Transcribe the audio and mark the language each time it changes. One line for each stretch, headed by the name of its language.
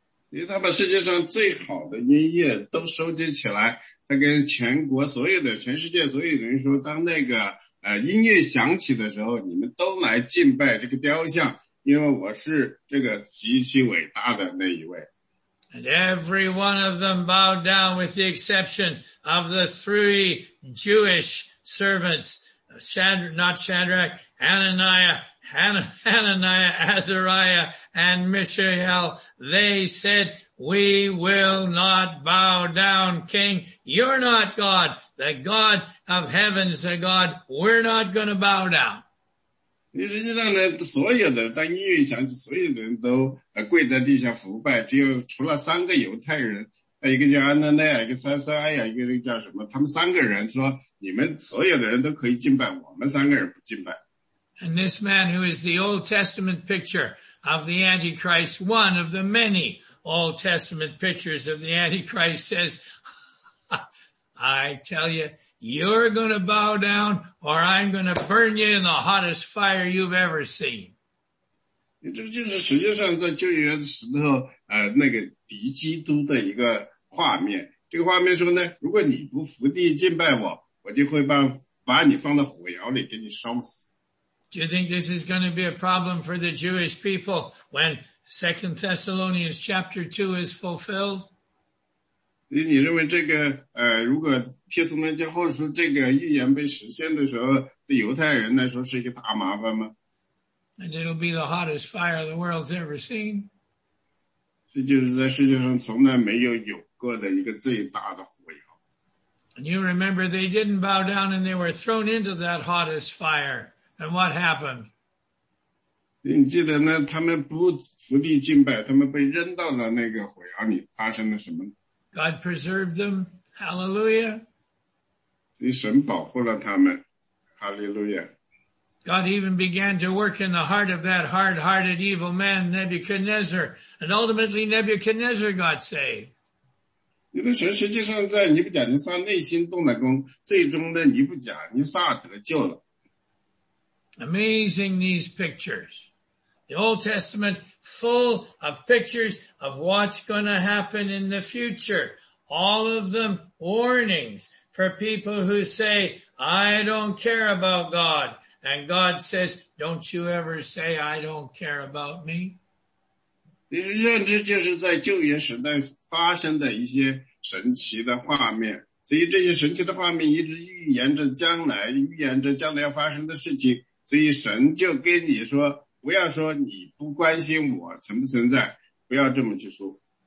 Chinese: 因为他把世界上最好的音乐都收集起来，他跟全国所有的全世界所有人说，当那个音乐响起的时候，你们都来敬拜这个雕像，因为我是这个极其伟大的那一位。
English: And every one of them bowed down with the exception of the three Jewish servants, Hananiah, Azariah, and Mishael. They said, we will not bow down, King. You're not God. The God of heaven's a God. We're not going to bow down.
Chinese: 实际上呢所有的当音乐响起所有的人都跪在地下服拜只有除了三个犹太人一个叫安娜奈亚一个塞塞埃亚一个叫什么他们三个人说你们所有的人都可以敬拜我们三个人不敬拜。
English: And this man who is the Old Testament picture of the Antichrist, one of the many Old Testament pictures of the Antichrist says, I tell you,You're going to bow down, or I'm going to burn you in the hottest fire you've ever seen.
Chinese: 这个就是实际上在旧约的时候那个敌基督的一个画面。这个画面说呢，如果你不伏地敬拜我，我就会把你放到火窑里给你烧死。
English: Do you think this is going to be a problem for the Jewish people when 2 Thessalonians chapter 2 is fulfilled?
Chinese: 所以你认为这个如果帖撒罗尼迦后书这个预言被实现的时候，对犹太人来说是一个大麻烦吗？
English: And it'll be the hottest fire the world's ever seen.
Chinese: 这就是在世界上从来没有有过的一个最大的火窑。
English: And you remember they didn't bow down and they were thrown into that hottest fire. And what happened?
Chinese: 你记得呢，他们不伏地敬拜，他们被扔到了那个火窑里，发生了什么？
English: God preserved them. Hallelujah.
Chinese: 所以神保护了他们。Hallelujah.
English: God even began to work in the heart of that hard-hearted evil man, Nebuchadnezzar. And ultimately, Nebuchadnezzar got saved.
Chinese: 因为神实际上在尼布甲尼撒内心动了工，最终呢，尼布甲尼撒得救了。
English: Amazing these pictures. The Old Testament full of pictures of what's going to happen in the future. All of them warnings for people who say, I don't care about God. And God says, don't you ever say, I don't care about me.
Chinese: 这就是在旧约时代发生的一些神奇的画面。所以这些神奇的画面一直预言着将来，预言着将来要发生的事情。所以神就跟你说，不要说你不关心我存不存在，不要这么去说。